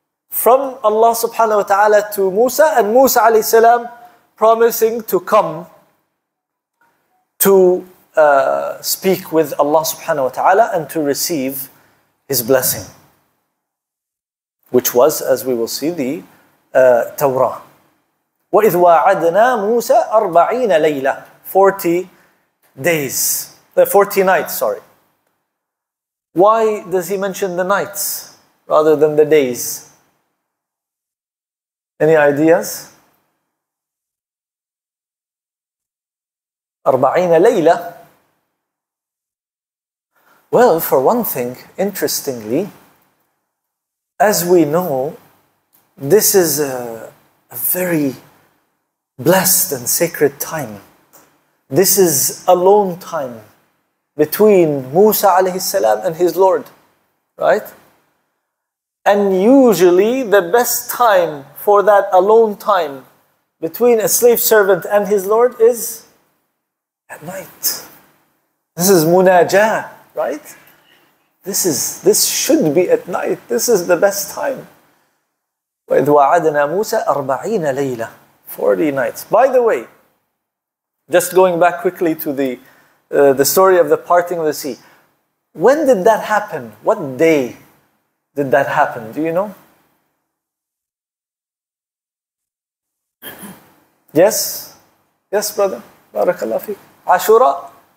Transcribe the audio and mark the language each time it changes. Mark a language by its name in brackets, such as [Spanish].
[English] From Allah subhanahu wa ta'ala to Musa, and Musa alayhi salam promising to come to speak with Allah subhanahu wa ta'ala and to receive his blessing, which was, as we will see, the Torah. [Arabic] وَإِذْ وَاعَدْنَا مُوسَىٰ 40 لَيْلَةً [English] 40 days, 40 nights, sorry. Why does he mention the nights rather than the days? Any ideas? 40 layla. Well, for one thing, interestingly, as we know, this is a very blessed and sacred time. This is alone time between Musa alayhi salam and his Lord, right? And usually the best time for that alone time between a slave servant and his Lord is at night. This is munajah, right? This should be at night. This is the best time. [Arabic] وَإِذْ وَعَدْنَا مُوسَىٰ 40 لَيْلَةً [English] 40 nights. By the way, just going back quickly to the story of the parting of the sea. When did that happen? What day did that happen? Do you know? Yes? Yes, brother. Barakallahu fiqh. Ashura?